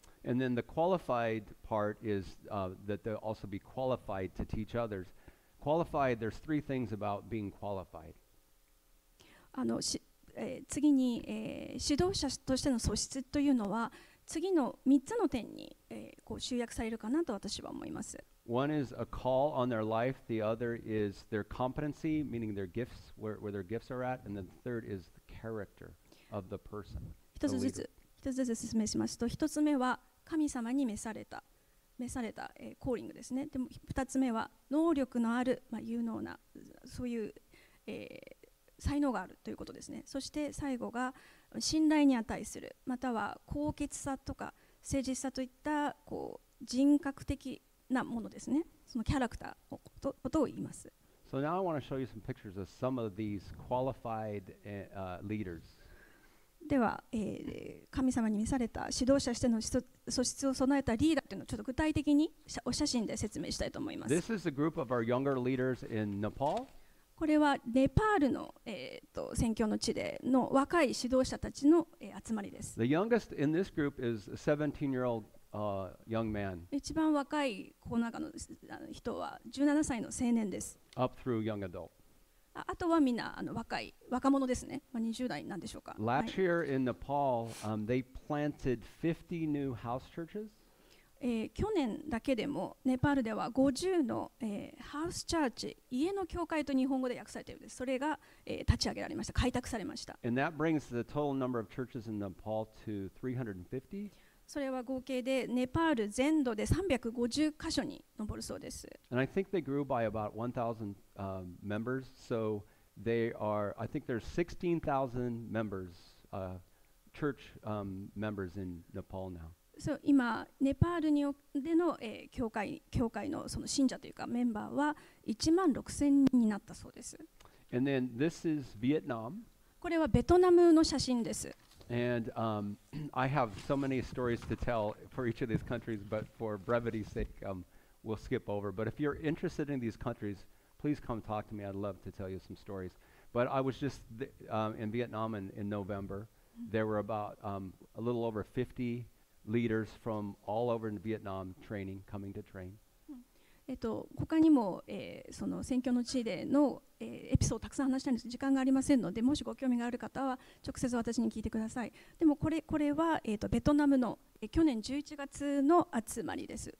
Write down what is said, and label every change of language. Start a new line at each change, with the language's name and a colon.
English: And then the qualified part is that they'll also be qualified to teach others. Qualified, there's three things about being qualified.
Japanese: あの、次に、指導者としての素質というのは次の3つの点に、こう集約されるかなと私は思います。
English: One is a call on their life, the other is their competency, meaning their gifts, where their gifts are at, and then the third is the character of the person.
Japanese: 一つずつ説明しますと、1つ目は神様に召された、コーリングですね。でも2つ目は能力のある、まあ、有能な、そういう、才能があるということですね。そして最後が信頼に値する、または高潔さとか誠実さといったこう人格的なものですね。そのキャラクターのことを言います。
English: So now I want to show you some pictures of some of these qualified leaders.
Japanese: では、神様に召された指導者しての素質を備えたリーダーというのをちょっと具体的にお写真で説明したいと思います。
English: This is a group of our younger leaders in Nepal.
Japanese: これはネパールの宣教の地での若い指導者たちの集まりです。
English: The youngest in this group is a 17-year-old young man.
Japanese: 一番若いこの中の人は17歳の青年です。
English: Up through young adult.
Japanese: あとはみんな若い若者ですね。まあ、20代なんでしょうか。
English: Last year in Nepal, they planted 50 new house churches.
Japanese: 去年だけでもネパールでは50の、ハウスチャーチ家の教会と日本語で訳されているんですそれが、立ち上げられました開拓されましたそれは合計でネパール全土で350箇所に上るそうです
English: And I think they grew by about 1,000 members so they are I think there's 16,000 members church members in Nepal now
Japanese: そう今ネパールにおでの、教会のその信者というかメンバーは1万6千人になったそうです。
English: And then this is Vietnam.
Japanese: これはベトナムの写真です。
English: And I have so many stories to tell for each of these countries, but for brevity's sake, we'll skip over. But if you're interested in these countries, please come talk to me. I'd love to tell you some stories. But I was just in Vietnam in November. There were about a little over 50 leaders from all over in Vietnam training, coming to train.
Japanese: 他にも、その宣教の地での、エピソードをたくさん話したいんですが時間がありませんのでもしご興味がある方は直接私に聞いてください。でもこれは、ベトナムの、去年11月の集まりです。